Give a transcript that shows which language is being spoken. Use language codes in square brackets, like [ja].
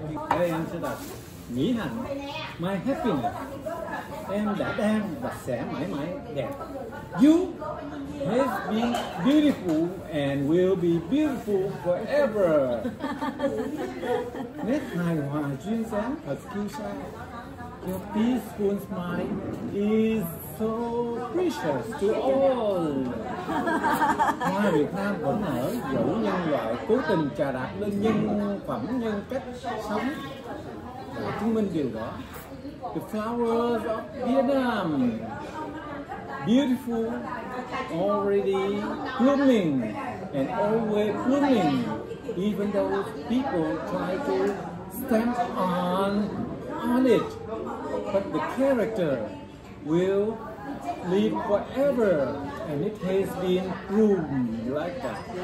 [vi] Em sẽ đặt Mỹ Hạnh, [en] my happiness. [vi] Em đã đang và sẽ mãi mãi đẹp. [en] You have been beautiful and will be beautiful forever. [vi] Nét hài hòa duyên dáng thật kiêu sa. [en] Your peaceful smile is so precious to all. [vi] Hoa Việt Nam vẫn nở, dẫu nhân loại cố tình trà đạp lên nhân phẩm nhân cách sống và chứng minh điều đó. [en] The flowers of Vietnam, beautiful, already blooming and always blooming, even though people try to stamp on it, but the character will live forever, and it has been proven like that.